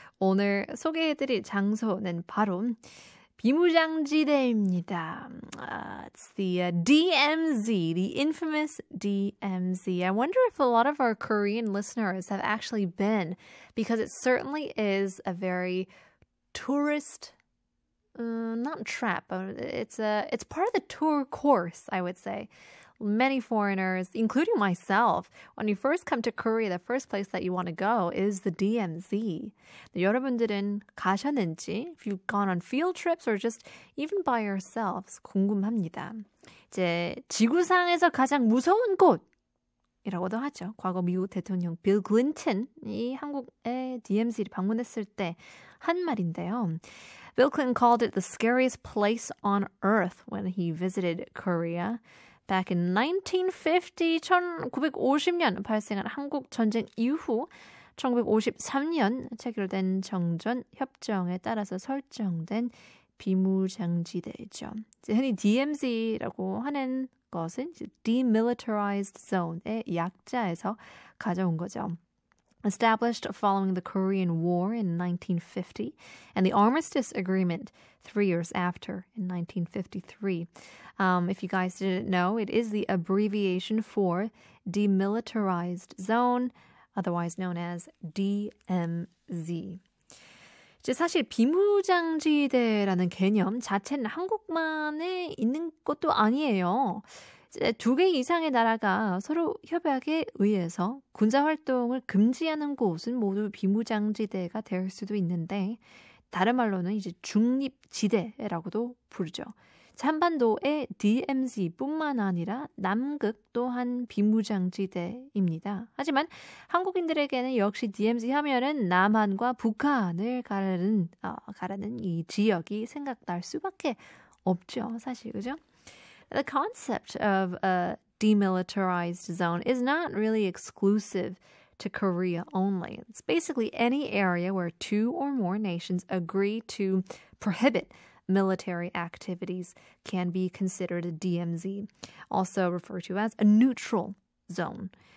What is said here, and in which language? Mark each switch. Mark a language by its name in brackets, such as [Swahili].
[Korean] 오늘 소개해드릴 장소는 바로 비무장지대입니다. [English] It's the DMZ, the infamous DMZ. I wonder if a lot of our Korean listeners have actually been, because it certainly is a very tourist, not trap, but it's part of the tour course, I would say. Many foreigners, including myself, when you first come to Korea, the first place that you want to go is the DMZ. [Korean] 여러분들은 가셨는지, [English] if you've gone on field trips or just even by yourselves, [Korean] 궁금합니다. 이제 지구상에서 가장 무서운 곳이라고도 하죠. 과거 미국 대통령 빌 클린턴이 한국의 DMZ를 방문했을 때 한 말인데요. [English] Bill Clinton called it the scariest place on earth when he visited Korea. Back in 1950, [Korean] 1950년 발생한 한국전쟁 이후 1953년 체결된 정전협정에 따라서 설정된 비무장지대죠. 흔히 DMZ라고 하는 것은 Demilitarized Zone의 약자에서 가져온 거죠. [English] Established following the Korean War in 1950 and the Armistice Agreement 3 years after in 1953. If you guys didn't know, it is the abbreviation for Demilitarized Zone, otherwise known as DMZ. [Korean] 이제 사실 비무장지대라는 개념 자체는 한국만에 있는 것도 아니에요. 두 개 이상의 나라가 서로 협약에 의해서 군사 활동을 금지하는 곳은 모두 비무장지대가 될 수도 있는데 다른 말로는 이제 중립지대라고도 부르죠. 한반도의 DMZ뿐만 아니라 남극 또한 비무장지대입니다. 하지만 한국인들에게는 역시 DMZ 하면은 남한과 북한을 가르는 이 지역이 생각날 수밖에 없죠. 사실 그죠? [English] The concept of a demilitarized zone is not really exclusive to Korea only. It's basically any area where two or more nations agree to prohibit military activities can be considered a DMZ, also referred to as a neutral zone.